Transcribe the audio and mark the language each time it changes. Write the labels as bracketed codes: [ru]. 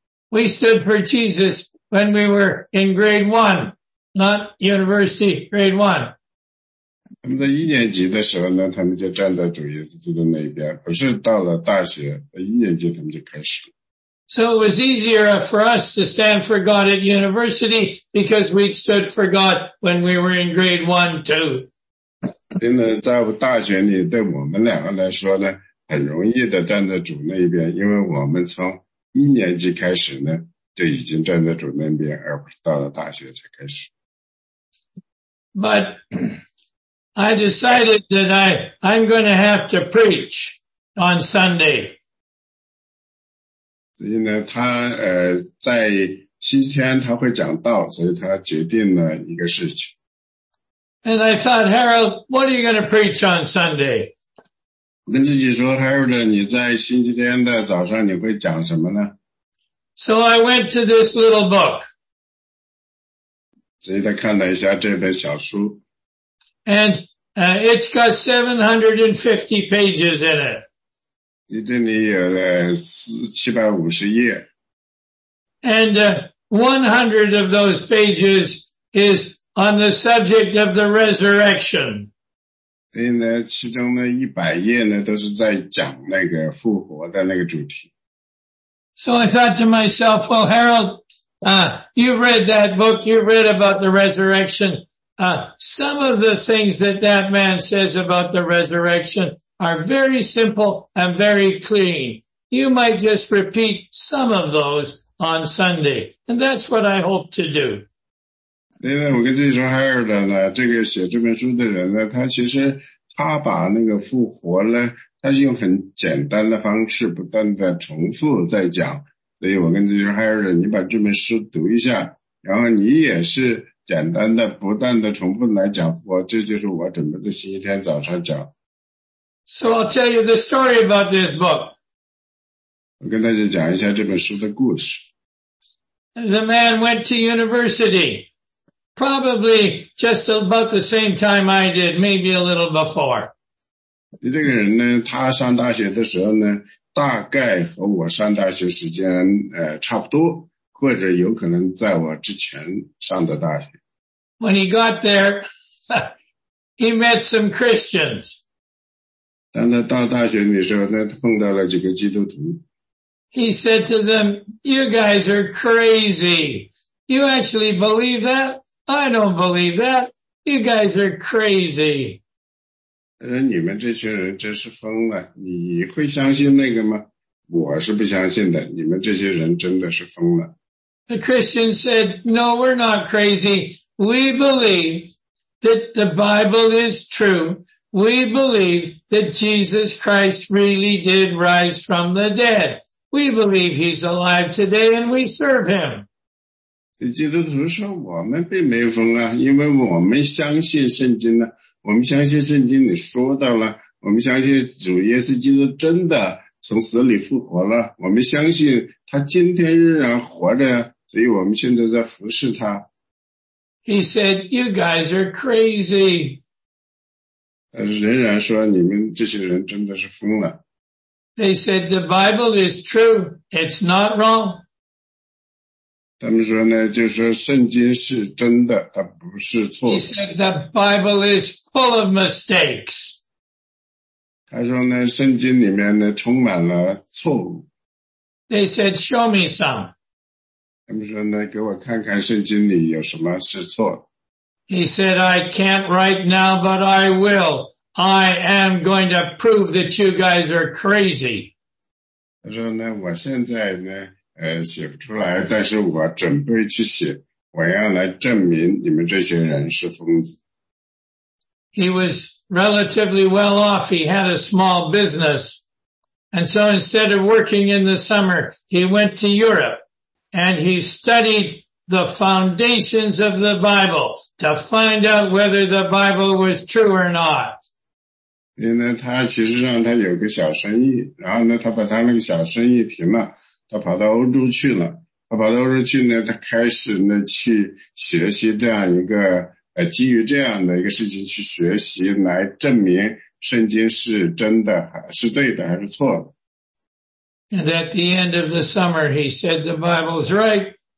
[en] We stood for Jesus when we were in grade one, not university grade one. [zh] 他们在一年级的时候呢，他们就站在主耶稣的那边，不是到了大学，一年级他们就开始。 [en] So it was easier for us to stand for God at university because we stood for God when we were in grade one too. [zh] 真的在大学里对我们两个来说呢，很容易的站在主那边，因为我们从一年级开始呢就已经站在主那边，而不是到了大学才开始。 [en] But I decided that I'm going to have to preach on Sunday. [zh] 所以呢他在星期天他会讲道，所以他决定了一个事情。 [en] And I thought, Harold, what are you going to preach on Sunday? [zh] 跟自己说 ,Harold, 你在星期天的早上你会讲什么呢? [en] So I went to this little book. [zh] 仔细地看了一下这本小书。 [en] And, it's got 750 pages in it. [zh] 你这里有了四750页。 [en] And, 100 of those pages is on the subject of the resurrection. [zh] 所以呢其中呢一百页呢都是在讲那个复活的那个主题。 [en] So I thought to myself, well, Harold, you've read that book, you've read about the resurrection. Some of the things that that man says about the resurrection are very simple and very clean. You might just repeat some of those on Sunday. And that's what I hope to do. [zh] 对呢我跟自己说 Harold 呢这个写这本书的人呢他其实他把那个复活呢他是用很简单的方式不断的重复在讲。所以我跟自己说 Harold, 你把这本书读一下然后你也是简单的不断的重复来讲复活这就是我准备在星期天早上讲。 [en] So I'll tell you the story about this book. [zh] 我跟大家讲一下这本书的故事。 [en] The man went to university, probably just about the same time I did, maybe a little before. [zh] 你这个人呢他上大学的时候呢大概和我上大学时间差不多或者有可能在我之前上的大学。 [en] When he got there, he met some Christians. [zh] 当他到大学的时候呢碰到了几个基督徒。 [en] He said to them, you guys are crazy. You actually believe that? I don't believe that. You guys are crazy. [zh] 他说你们这群人真是疯了。你会相信那个吗？我是不相信的。你们这些人真的是疯了。 [en] The Christian said, no, we're not crazy. We believe that the Bible is true. We believe that Jesus Christ really did rise from the dead. We believe he's alive today and we serve him. [zh] 基督徒说我们并没有疯啊因为我们相信圣经呢我们相信圣经里说到了我们相信主耶稣基督真的从死里复活了我们相信他今天仍然活着所以我们现在在服侍他。 [en] He said, you guys are crazy. [zh] 他仍然说你们这些人真的是疯了。 [en] They said, the Bible is true, it's not wrong. [zh] 他们说呢就是圣经是真的它不是错的。 [en] He said, the Bible is full of mistakes. [zh] 他说呢圣经里面呢充满了错误。 [en] They said, show me some. [zh] 他们说呢给我看看圣经里有什么是错的。 [en] He said, I can't right now, but I will. I am going to prove that you guys are crazy. [zh] 他说呢我现在呢写不出来但是我准备去写我要来证明你们这些人是疯子。 [en] He was relatively well off. He had a small business. And so instead of working in the summer, he went to Europe and he studied the foundations of the Bible to find out whether the Bible was true or not. [zh] 因为呢他其实上他有个小生意然后呢他把他那个小生意停了他跑到欧洲去了他跑到欧洲去呢他开始呢去学习这样一个基于这样的一个事情去学习来证明圣经是真的是对的还是错的。 [en] And at the end of the summer, he said, the Bible's right.